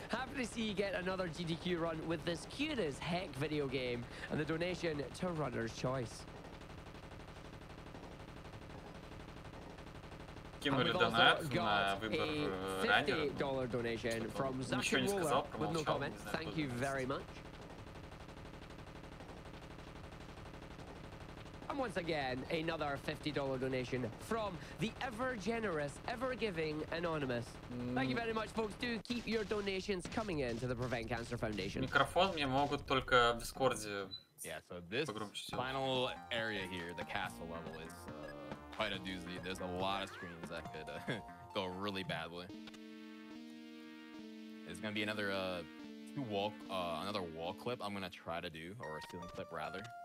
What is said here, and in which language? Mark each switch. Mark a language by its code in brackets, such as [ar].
[en] Happy to see you get another GDQ run with this cute as heck video game and the donation to Runner's Choice. [ru] Кинули донат на выбор ранее. Ничего не сказал, промолчал. Не знаю, [en] Thank you very much. And once again, another $50 donation from the ever generous, ever giving anonymous. Thank you very much, folks. Do keep your donations coming in to the Prevent Cancer Foundation. [ru] Микрофон мне могут только в Дискорде. [en] Yeah, so this final area here, the castle level is quite a doozy. There's a lot of screens that could go really badly. It's gonna be another wall clip I'm gonna try to do, or a ceiling clip rather.